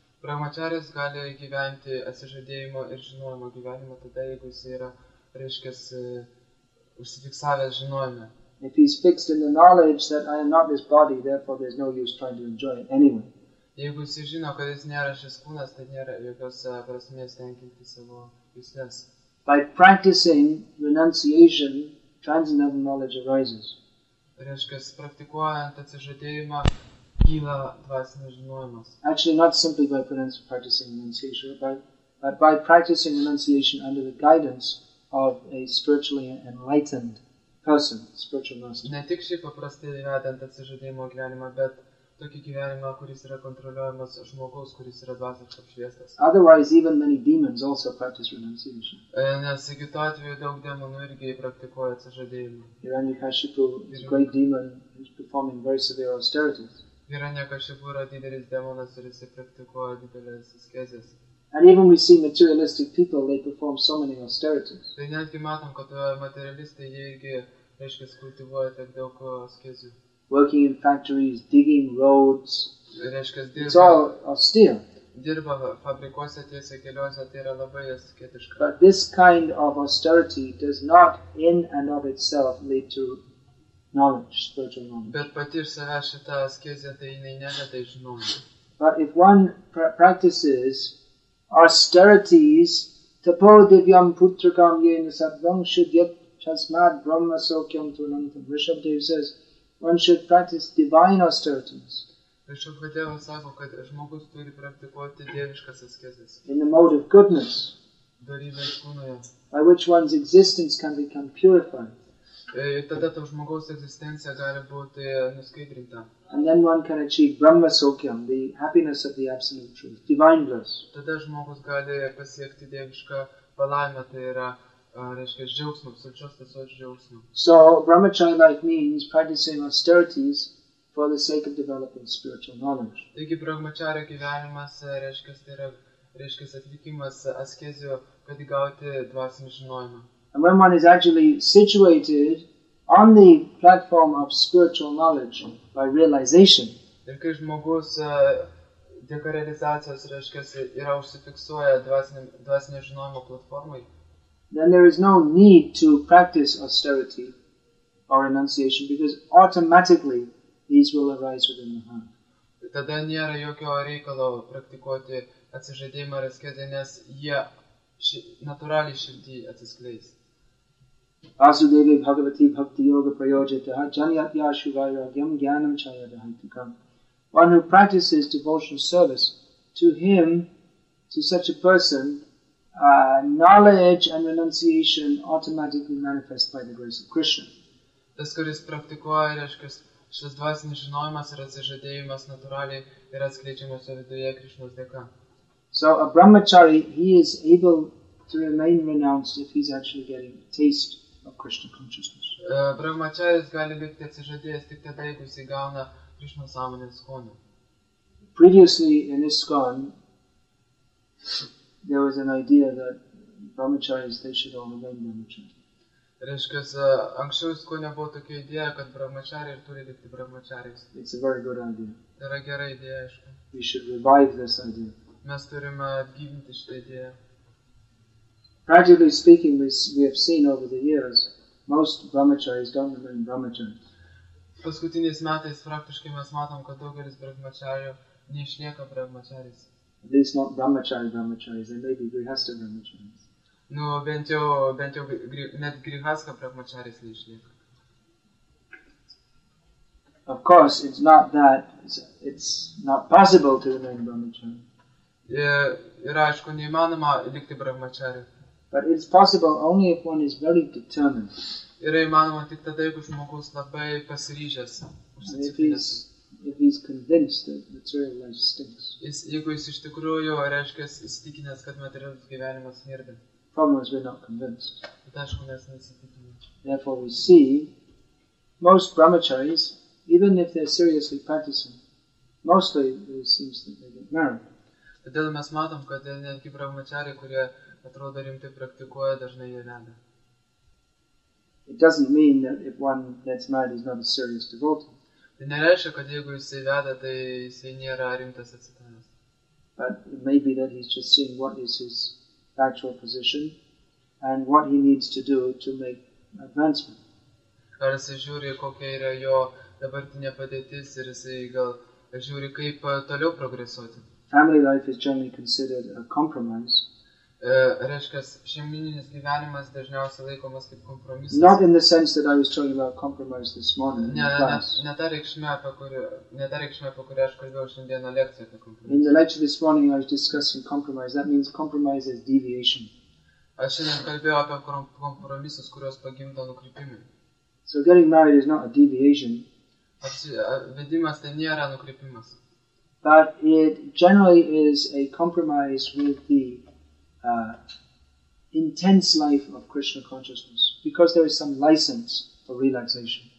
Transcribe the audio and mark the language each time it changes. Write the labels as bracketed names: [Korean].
[Lithuanian] Brahmacharis gali gyventi atsižadėjimo ir žinojimo gyvenimą tada, jeigu jis yra, reiškia, užsifiksavęs žinojime. [English] If he is fixed in the knowledge that I am not this body, therefore there is no use trying to enjoy it anyway. [Lithuanian] Jeigu jis žino, kad jis nėra šis kūnas, tai nėra jokios prasmės tenkinti savo jūslės. [English] By practicing renunciation, transcendental knowledge arises. [Lithuanian] Reiškias, praktikuojant atsižadėjimą, kyla dvasinis žinojimas. [English] Actually, not simply by practicing renunciation, but by practicing renunciation under the guidance of a spiritually enlightened person, spiritual master. [Lithuanian] Ne tik šiaip paprastai vedant atsižadėjimo gyvenimą, bet tokį gyvenimą, kuris yra kontroliuojamas žmogaus, kuris yra dvasiškai apšviestas. [English] Otherwise, even many demons also practice renunciation. [Lithuanian] Nes kitu atveju daug demonų irgi praktikuoja atsižadėjimą. [English] Hiranyakashipu is a great demon who is performing very severe austerities. [Lithuanian] Hiranyakashipu yra didelis demonas ir jisai praktikuoja didelės askezės. [English] And even we see materialistic people, they perform so many austerities. [Lithuanian] Tai netgi matom, kad materialistai jie irgi, reiškia, kultivuoja tiek daug askezių. [English] Working in factories, digging roads. [Lithuanian] Reiškia, [English] it's all austere. [Lithuanian] Dirba fabrikuose, tiesa, keliuose, tai yra labai asketiška. [English] But this kind of austerity does not in and of itself lead to knowledge, spiritual knowledge. [Lithuanian] Bet pati iš savęs šita askezė, tai jinai neveda į žinojimą. [English] But if one practices austerities, [Sanskrit] tapo divyam putrakam yena sabdam shudyat chasmad brahma sokyam tunantam. [English] Rishabhadeva says, one should practice divine austerities. [Lithuanian] Rishabhadeva sako, kad žmogus turi praktikuoti dieviškas askezes. [English] In the mode of goodness. [Lithuanian] Dorybės kūnoje. [English] By which one's existence can become purified. [Lithuanian] Ir tada to žmogaus egzistencija gali būti nuskaidrinta. [English] And then one can achieve Brahma Sokyam, the happiness of the absolute truth, divine bliss. [Lithuanian] Tada žmogus gali pasiekti dievišką palaimą, tai yra, reiškia, džiaugsmą, absoliučios tiesos džiaugsmą. [English] So, brahmacharya like means practicing austerities for the sake of developing spiritual knowledge. [Lithuanian] Taigi brahmacharya gyvenimas, reiškia, tai yra, reiškia, atvykimas askezijo, kad įgauti dvasinį žinojimą. [English] And when one is actually situated on the platform of spiritual knowledge by realization, [Lithuanian] ir kai žmogus dėka realizacijos, reiškia, yra užsifiksuoja dvasinio žinojimo platformoje, [English] then there is no need to practice austerity or renunciation because automatically these will arise within the heart. [Lithuanian] Tada nėra jokio reikalo praktikuoti atsižadėjimą ar askezę, nes jie natūraliai širdy atsiskleis. [Sanskrit] Vasudevi Bhagavati Bhakti Yoga Prayojitaha Janyat Yashu Vairagyam Jnanam Chayadahantikam. [English] One who practices devotional service, to him, to such a person, knowledge and renunciation automatically manifest by the grace of Krishna. [Lithuanian] Tas, kuris praktikuoja, reiškia, šis dvasinis žinojimas ir atsižadėjimas natūraliai yra atskleidžiamas viduje Krishnos dėka. [English] So a brahmachari, he is able to remain renounced if he's actually getting a taste of Krishna consciousness. [Lithuanian] Brahmacharis gali likti atsižadėjęs tik tada, jeigu jis įgauna Krishna sąmonės skonį. [English] Previously in ISKCON, there was an idea that brahmacharis, they should all remain brahmacharis. [Lithuanian] Reiškias, anksčiau ISKCONe buvo tokia idėja, kad brahmacharis turi likti brahmacharis. [English] It's a very good idea. [Lithuanian] Tai yra gera idėja, aišku. [English] We should revive this idea. [Lithuanian] Mes turime atgyvinti šitą idėją. [English] Practically speaking, we have seen over the years, most brahmacharis don't remain brahmacharis. [Lithuanian] Paskutiniais metais praktiškai mes matom, kad daugelis brahmacharių neišlieka brahmacharis. [English] At least not brahmacharis, they may be grihastha brahmacharis. [Lithuanian] Nu, bent jau net grihastha brahmacharis neišlieka. [English] Of course, it's not that, it's not possible to remain brahmachari. [Lithuanian] Ir aišku, neįmanoma likti brahmacharis. [English] But it's possible only if one is very determined. [Lithuanian] Yra įmanoma tik tada, jeigu žmogus labai pasiryžęs. [English] If he's convinced that material life stinks. [Lithuanian] Jeigu jis iš tikrųjų, reiškia, įsitikinęs, kad materialus gyvenimas smirda. [English] Problem is we're not convinced. [Lithuanian] Bet aišku, mes nesitikime. [English] Therefore we see, most brahmacharis, even if they're seriously practicing, mostly it seems that they get married. [Lithuanian] Todėl mes matom, kad netgi brahmacharis, kurie atrodo rimtai praktikuoja, dažnai jie veda. [English] It doesn't mean that if one gets married is not a serious devotee. [Lithuanian] Tai nereiškia, kad jeigu jis veda, tai jis nėra rimtas atsitikimas. [English] But it may be that he's just seeing what is his actual position and what he needs to do to make advancement. [Lithuanian] Ar jis žiūri, kokia yra jo dabartinė padėtis ir jis gal žiūri, kaip toliau progresuoti. [English] Family life is generally considered a compromise. [Lithuanian] Reiškias, šeimininis gyvenimas dažniausiai laikomas kaip kompromisas. [English] Not in the sense that I was talking about compromise this morning in the class. [Lithuanian] Ne ta reikšmė, apie kurią aš kalbėjau šiandieną lekcijoje apie kompromisą. [English] In the lecture this morning I was discussing compromise. That means compromise is deviation. [Lithuanian] Aš šiandien kalbėjau apie kompromisus, kurios pagimdo nukrypimą. [English] So getting married is not a deviation. [Lithuanian] Vedimas tai nėra nukrypimas. [English] But it generally is a compromise with the intense life of Krishna consciousness, because there is some license for relaxation.